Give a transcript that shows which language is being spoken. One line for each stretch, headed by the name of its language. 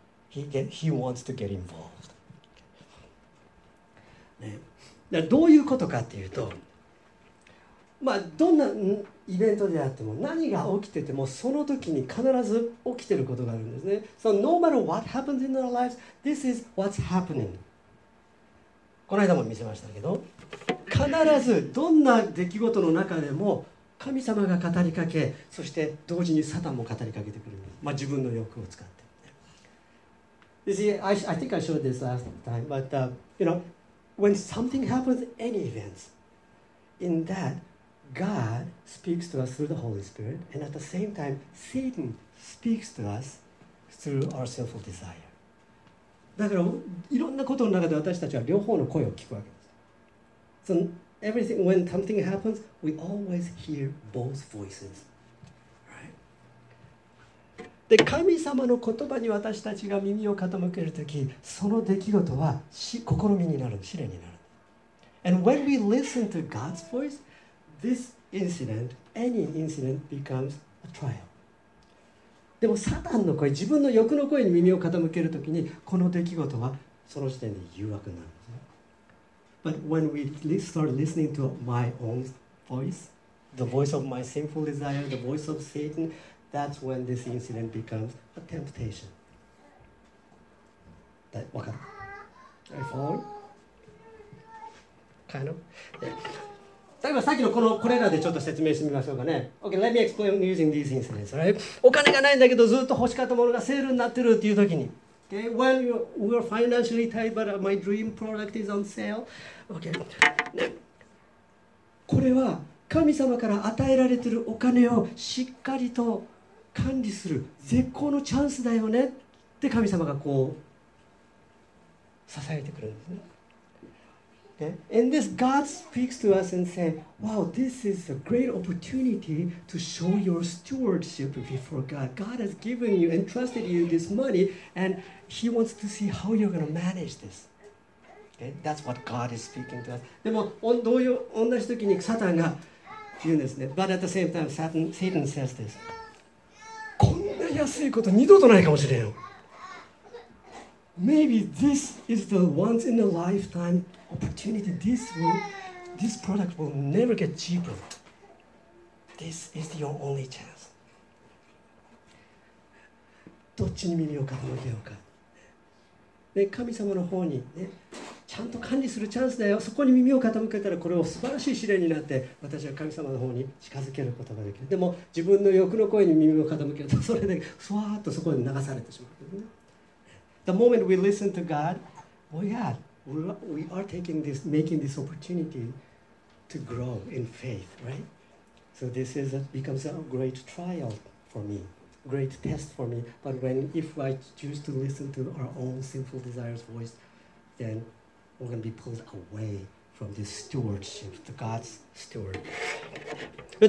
English: He wants to get involved.、
Japanese: ね、だどういうことかっていうと、まあ、どんなイベントであっても、何が起きてても、その時に必ず起きてることがあるんですね。
English: So no matter what happens in our lives, this is what's happening.
Japanese: この間も見せましたけど、必ずどんな出来事の中でも神様が語りかけ、そして同時にサタンも語りかけてくるんです。まあ、自分の欲を使って。
English: You see, I think I showed this last time, but you know, when something happens, any events, in that, God speaks to us through the Holy Spirit, and at the same time, Satan speaks to us through our sinful desire.
Japanese: だからいろんなことの中で私たちは両方の声を聞くわけです。
English: So everything, when something happens, we always hear both voices, right?
Japanese: で、神様の言葉に私たちが耳を傾けるとき、その出来事は試みになる、試練になる。
English: And when we listen to God's voice, this incident, any incident becomes a trial.
Japanese: でも、サタンの声、自分の欲の声に耳を傾けるときに、この出来事はその時点で誘惑になる。
English: But when we start listening to my own voice, the voice of my sinful desire, the voice of Satan, that's when this incident becomes a temptation. That,
Japanese: わかる?
English: I fall? Kind of?
Japanese: 例えばさっきのこのこれらでちょっと説明してみましょうかね。
English: Okay, let me explain using these incidents, right?
Japanese: お金がないんだけどずっと欲しかったものがセールになってるっていう時に。
English: Okay, when you are financially tight, but my dream product is on sale. Okay.
Japanese: これは神様から与えられているお金をしっかりと管理する絶好のチャンスだよねって神様がこう支えてくれるんですね。
English: Okay. And this God speaks to us and says, wow, this is a great opportunity to show your stewardship before God. God has given you, entrusted you this money, and He wants to see how you're going to manage this. Okay? That's what God is speaking to us.
Japanese: でも、同じ時にサタンが言うんですね。
English: But at the same time, Satan says this.
Japanese: こんな安いこと二度とないかもしれん。
English: Maybe this is the once in a lifetime opportunity. This will, this product will never get cheaper. This is your only chance.
Japanese: どっちに耳を傾けようか。で、神様の方に、ね、ちゃんと管理するチャンスだよ。そこに耳を傾けたら、これを素晴らしい試練になって、私は神様の方に近づけることができる。でも、自分の欲の声に耳を傾けると、それでふわーっとそこに流されてしまう。
English: The moment we listen to God, oh yeah, we are taking this, making this opportunity to grow in faith, right? So this is a, becomes a great trial for me, great test for me. But when if I choose to listen to our own sinful desires voice, then we're going to be pulled away from this stewardship, to God's stewardship.